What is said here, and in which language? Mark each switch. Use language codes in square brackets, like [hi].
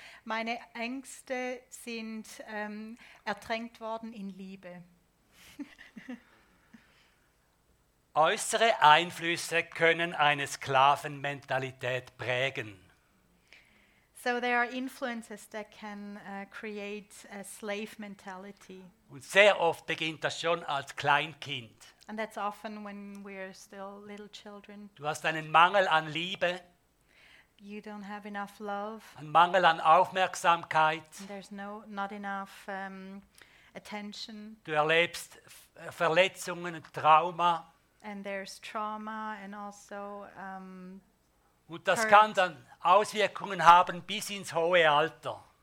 [de] Meine Ängste sind ertränkt worden in Liebe. Äußere Einflüsse können eine Sklavenmentalität prägen. [en] So there are influences that can create a slave mentality. [de] Und sehr oft beginnt das schon als Kleinkind. [en] And that's often when we're still little children. [de] Du hast einen Mangel an Liebe. [en] You don't have enough love. [de] Ein Mangel an Aufmerksamkeit. [en] And there's not enough attention. [de] Du erlebst Verletzungen und Trauma. [en] And there's trauma and also [de] und das kann dann Auswirkungen haben bis ins hohe Alter.